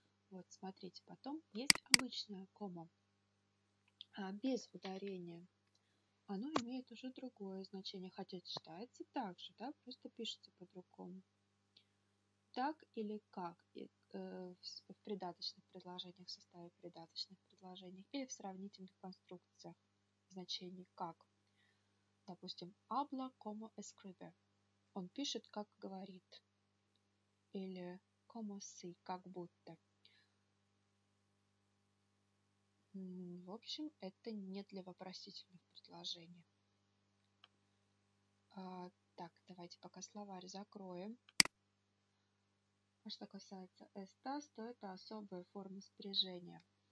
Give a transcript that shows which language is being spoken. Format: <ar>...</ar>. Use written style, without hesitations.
<ru>Вот, смотрите, потом есть обычное como. А без ударения оно имеет уже другое значение. Хотя читается так же, да? Просто пишется по-другому. Так или как? В придаточных предложениях, в составе придаточных предложений или в сравнительных конструкциях значений как. Допустим,</ru> <es>habla como escribe.</es> <ru>Он пишет, как говорит. Или como si, как будто. В общем, это не для вопросительных предложений. Так, давайте пока словарь закроем. А что касается estás, то это особая форма спряжения.</ru>